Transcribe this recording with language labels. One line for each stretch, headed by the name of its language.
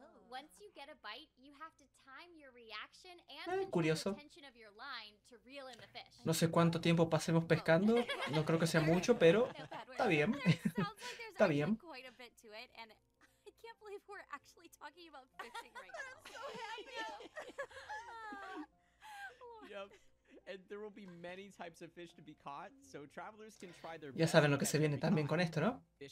English: Once you get a bite, you have to time your reaction and the tension of your line to reel in the fish.
Spanish: No sé cuánto tiempo pasemos pescando, no creo que sea mucho, pero está bien. Está bien.
English: Quite a bit to it, and I can't believe we're actually talking about fishing right now. I'm so happy. Yep. And there will be many types of fish to be caught, so travelers can try their best.
Spanish: Ya saben lo que se viene también con esto, ¿no?